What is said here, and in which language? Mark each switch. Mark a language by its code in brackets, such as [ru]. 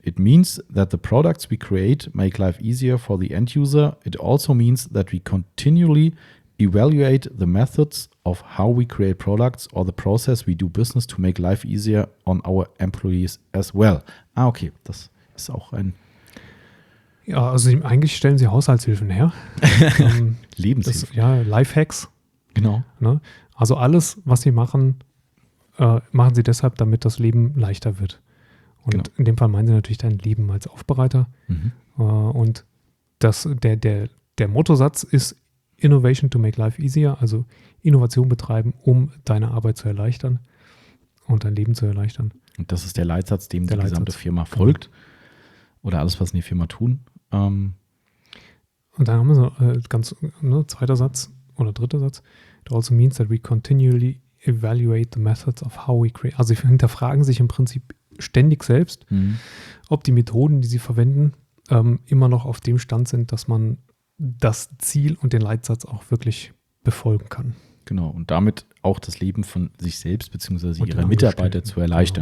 [en] It means that the products we create make life easier for the end user. It also means that we continually evaluate the methods of how we create products or the process we do business to make life easier on our employees as well. [de] Ah, okay, das ist auch ein... Ja, also eigentlich stellen sie Haushaltshilfen her. Lebenshilfen. Ja, Lifehacks. Genau. Ne? Also alles, was sie machen, machen sie deshalb, damit das Leben leichter wird. Und genau. In dem Fall meinen sie natürlich dein Leben als Aufbereiter. Mhm. Und der Mottosatz ist [en] Innovation to make life easier, [de] also Innovation betreiben, um deine Arbeit zu erleichtern und dein Leben zu erleichtern. Und das ist der Leitsatz, dem die gesamte Firma folgt. Oder alles, was in der Firma tun. Und dann haben wir so zweiter Satz oder dritter Satz. [en] It also means that we continually evaluate the methods of how we create. [de] Also sie hinterfragen sich im Prinzip ständig selbst, ob die Methoden, die sie verwenden, immer noch auf dem Stand sind, dass man das Ziel und den Leitsatz auch wirklich befolgen kann. Genau, und damit auch das Leben von sich selbst bzw. ihrer Mitarbeiter zu erleichtern.